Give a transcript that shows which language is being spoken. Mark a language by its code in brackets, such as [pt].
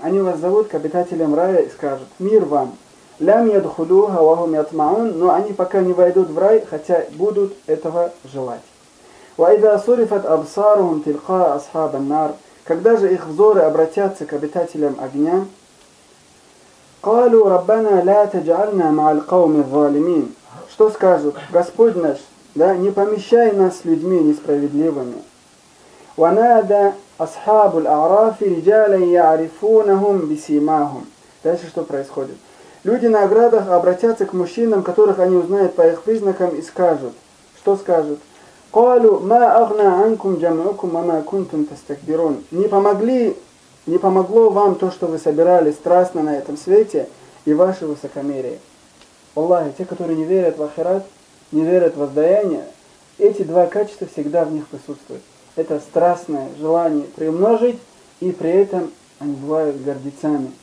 [ru] Они вас зовут к обитателям рая и скажут: «Мир вам!» [ar] لَمْ يَدْخُلُوهَ وَهُمْ يَطْمَعُونَ. [ru] Но они пока не войдут в рай, хотя будут этого желать. [ar] وَإِذَا صُرِفَتْ أَبْصَارُهُمْ تِلْقَاءَ أَصْحَابَ النَّارِ. [ru] Когда же их взоры обратятся к обитателям огня? [ar] قالوا ربنا لا تجعلنا مع القوم الظالمين. [ru] Что скажут? Господь наш, да, не помещай нас с людьми несправедливыми. [ar] ونادى أصحاب الأعراف رجالا يعرفونهم بسيماهم. [ru] Дальше что происходит? Люди на оградах обратятся к мужчинам, которых они узнают по их признакам, и скажут. Что скажут? [ar] قالوا ما أغنى عنكم جمعكم وما كنتم تستكبرون. [ru] Не помогли. Не помогло вам то, что вы собирали страстно на этом свете, и ваше высокомерие. Аллахи, те, которые не верят в ахират, не верят в воздаяние, эти два качества всегда в них присутствуют. Это страстное желание приумножить, и при этом они бывают гордецами.